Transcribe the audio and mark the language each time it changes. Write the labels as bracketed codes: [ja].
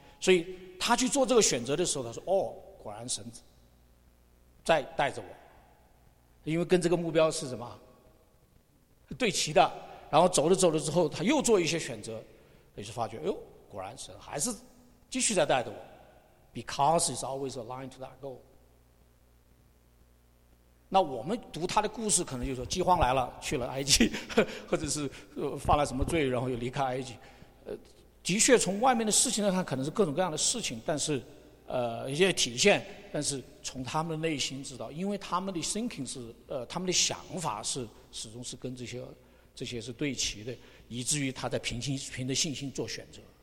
[zh] 所以他去做这个选择的时候，他说：“哦，果然神在带着我，因为跟这个目标是什么对齐的。” 然后走着走着之后，他又做一些选择，也就发觉：“哎呦，果然神还是继续在带着我。” [en] Because it's always aligned to that goal。 [zh] 那我们读他的故事可能就是说饥荒来了，去了埃及，或者是犯了什么罪然后又离开埃及，的确从外面的事情来看可能是各种各样的事情，但是一些体现，但是从他们的内心知道，因为他们的 thinking 是他们的想法是始终是跟这些是对齐的，以至于他在凭着信心做选择。